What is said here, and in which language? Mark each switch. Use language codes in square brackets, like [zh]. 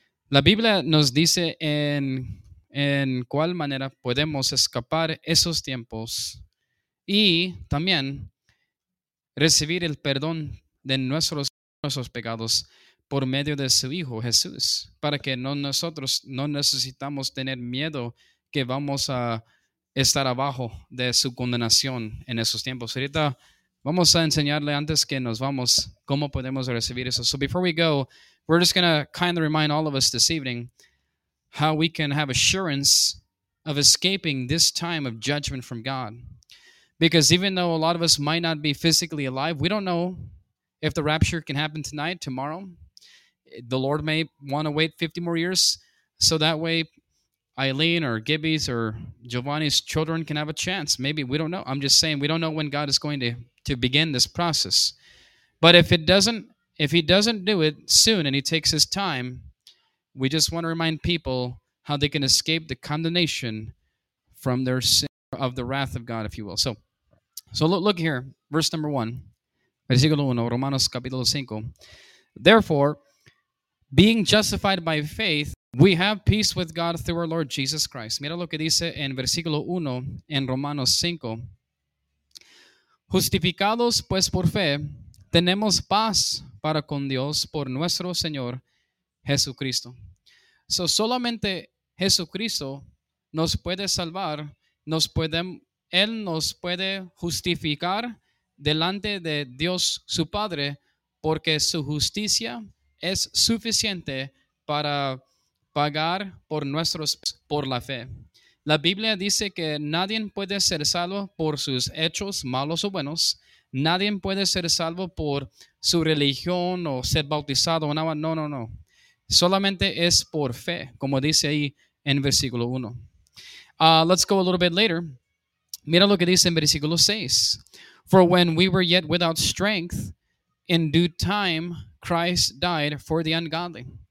[es] La Biblia nos dice en cuál manera podemos escapar esos tiempos y también recibir el perdón de nuestros pecados por medio de su Hijo Jesús, para que nosotros no necesitamos tener miedo que vamos a estar abajo de su condenación en esos tiempos. Ahorita vamos a enseñarle antes que nos vamos cómo podemos recibir eso. [en] So before we go, we're just going to kindly remind all of us this evening how we can have assurance of escaping this time of judgment from God. Because even though a lot of us might not be physically alive, we don't know if the rapture can happen tonight, tomorrow. The Lord may want to wait 50 more years so that way Eileen or Gibby's or Giovanni's children can have a chance. Maybe, we don't know. I'm just saying, we don't know when God is going to begin this process. But if he doesn't do it soon and he takes his time, we just want to remind people how they can escape the condemnation from their sin, of the wrath of God, if you will. So look here, verse number 1, [es] versículo 1, Romanos capítulo 5. [en] Therefore, being justified by faith, we have peace with God through our Lord Jesus Christ. [es] Mira lo que dice en versículo 1 en Romanos 5. Justificados pues por fe, tenemos paz para con Dios por nuestro Señor Jesucristo. So solamente Jesucristo nos puede salvar, Él nos puede justificar delante de Dios su Padre, porque su justicia es suficiente para pagar por nuestros, por la fe. La Biblia dice que nadie puede ser salvo por sus hechos malos o buenos. Nadie puede ser salvo por su religión o ser bautizado. No. Solamente es por fe, como dice ahí en versículo 1. [en] Let's go a little bit later. [es] Mira lo que dice en versículo 6. [en] For when we were yet without strength, in due time Christ died for the ungodly.